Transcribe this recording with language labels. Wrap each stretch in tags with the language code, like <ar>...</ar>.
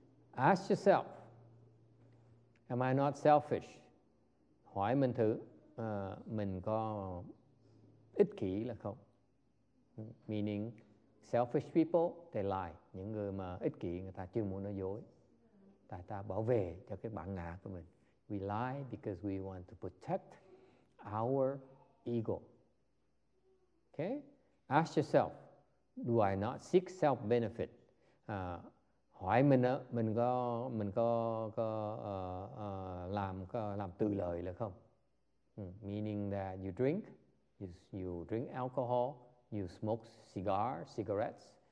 <en>Ask yourself, am I not selfish?</en> <vi>Hỏi mình thử, mình có ích kỷ là không?</vi> <en>Meaning, selfish people, they lie.</en> <vi>Những người mà ích kỷ, người ta chưa muốn nói dối. Tại ta bảo vệ cho cái bản ngã của mình.</vi> <en>We lie because we want to protect our ego. Okay? Ask yourself, do I not seek self-benefit?</en> <vi>Hỏi mình đó, mình có làm tự lợi là không?</vi> <en>Meaning that you drink, you drink alcohol, you smoke cigarettes.</en>